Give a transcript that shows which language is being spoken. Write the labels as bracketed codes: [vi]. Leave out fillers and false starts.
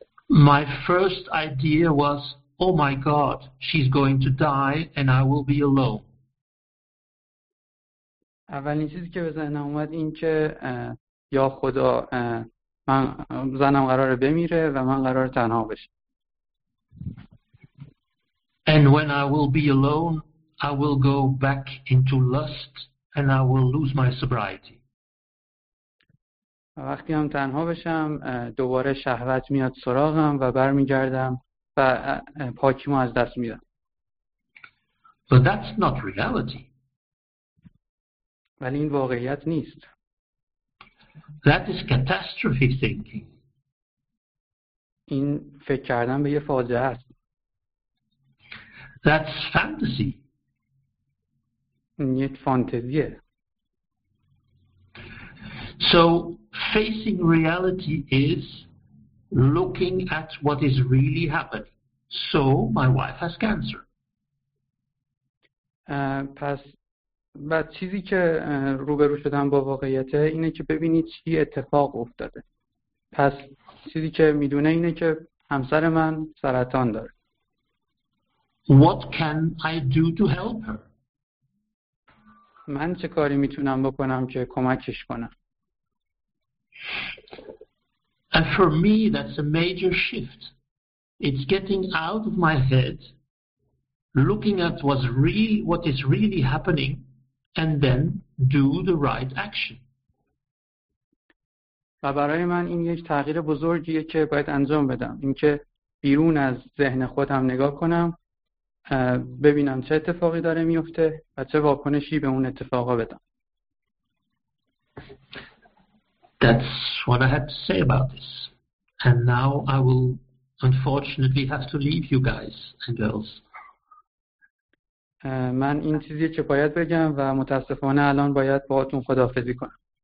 [en] My first idea was, oh my God, she's going to die and I will be alone. [fa] اولین چیزی که به ذهنم اومد این که یا خدا من زنم قراره بمیره و من قراره تنها بشم. [en] And when I will be alone, I will go back into lust and I will lose my sobriety. [fa] وقتی هم تنها بشم دوباره شهوت میاد سراغم و برمیگردم و پاکیمو از دست میدم. [en] But that's not reality. [fa] ولی این واقعیت نیست. [en] That is catastrophe thinking. [fa] این فکر کردن به یه فاجعه است. [en] That's fantasy. [fa] این یه فانتزیه. [en] So facing reality is looking at what is really happening. So my wife has cancer. [fa] پس و چیزی که روبرو شدم با واقعیته اینه که ببینی چی اتفاق افتاده. پس چیزی که میدونه اینه که همسر من سرطان داره. [en] What can I do to help her? [fa] من چه کاری میتونم بکنم که کمکش کنم؟ [en] And for me that's a major shift. It's getting out of my head, looking at what is really happening. And then do the right action. [fa] و برای من این یک تغییر بزرگیه که باید انجام بدم. اینکه بیرون از ذهن خودم نگاه کنم، ببینم چه اتفاقی داره میفته و چه واکنشی به اون اتفاقا بدم. [en] That's what I had to say about this. And now I will unfortunately have to leave you guys and girls. [fa] من این چیزی که باید بگم و متاسفانه الان باید باهاتون خداحافظی کنم.